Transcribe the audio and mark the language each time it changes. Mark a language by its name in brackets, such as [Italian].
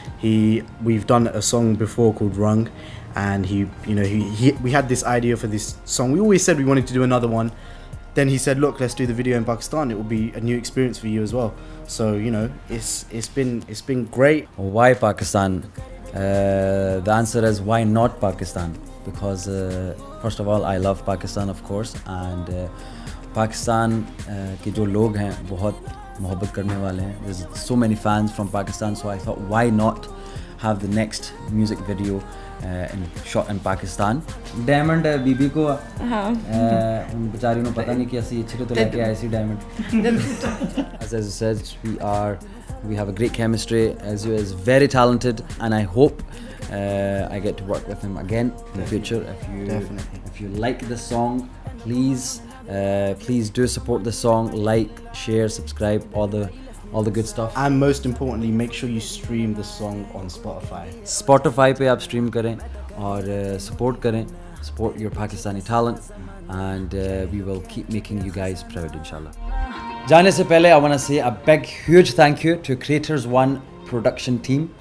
[English] We've done a song before called Rung, and we had this idea for this song. We always said we wanted to do another one. Then he said, look, let's do the video in Pakistan. It will be a new experience for you as well. So, you know, it's been great. Why Pakistan? The answer is, why not Pakistan? Because first of all, I love Pakistan, of course, and [Urdu] Pakistan کے جو لوگ ہیں بہت محبت کرنے والے ہیں. [English] There's so many fans from Pakistan, so I thought, why not have the next music video shot in Pakistan? [Urdu] Diamond hai bibi ko. Haan. [Punjabi] Un bechari nu pata nahi ki assi ichhe to leke aayi si diamond. [English] As I said, we have a great chemistry. Azu is very talented, and I hope I get to work with him again in the future. If you like the song, please do support the song, like, share, subscribe, all the good stuff. And most importantly, make sure you stream the song on Spotify. [Urdu] سپوٹیفائی پہ آپ stream کریں اور support کریں. [English] Support your Pakistani talent, and we will keep making you guys proud, inshallah. [Urdu] Jaane se pehle, [English] I want to say a big, huge thank you to Creators One production team.